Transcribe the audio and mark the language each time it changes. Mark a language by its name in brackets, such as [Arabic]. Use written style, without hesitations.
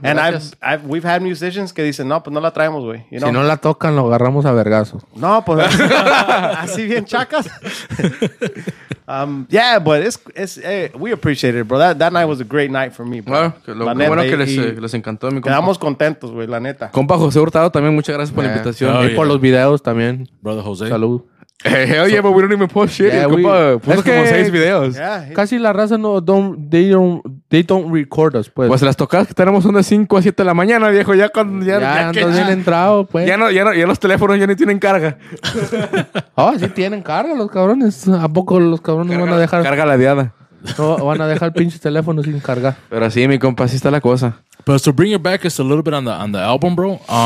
[English] And we've had musicians [Spanish] que dicen, no, pues no la traemos, güey. [English] You know? [Spanish] Si no la tocan, lo agarramos a vergazos. No, pues así bien chacas. [English] yeah, but we appreciate it, bro. That night was a great night for me, bro. [Spanish] Bueno, que les encantó, mi compa. Quedamos contentos, güey, la neta. Compa José Hurtado, también muchas gracias por la invitación. Oh, y por los videos también. Brother José. Salud. [English] Hell yeah, but we don't even post shit. [Spanish] Yeah, puso como 6 videos. Yeah. Casi la raza no [English] record us, [Spanish] pues. Pues las tocadas que tenemos son de 5 a 7 de la mañana, viejo. Ya cuando bien entrado, pues. Ya los teléfonos ya ni tienen carga. Oh, sí tienen carga los cabrones. ¿A poco los cabrones carga, van a dejar? Carga la diada. No, van a dejar pinche teléfono sin cargar. Pero sí, mi compa, así está la cosa. [English] But to bring it back, it's a little bit on the album, bro.